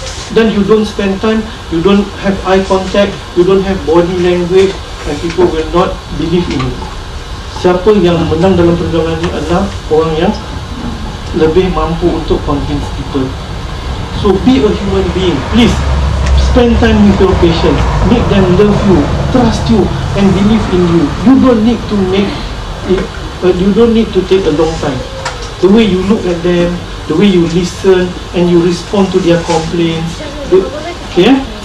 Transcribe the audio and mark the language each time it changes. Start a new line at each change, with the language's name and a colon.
English: Then you don't spend time, you don't have eye contact, you don't have body language, and people will not believe in you.
Malay: Siapa yang menang dalam perjuangan ni adalah orang yang lebih mampu untuk
English: convince people. So be a human being, please. Spend time with your patients, make them love you, trust you and believe in you. You don't need to take a long time. The way you look at them, the way you listen and you respond to their complaints, okay?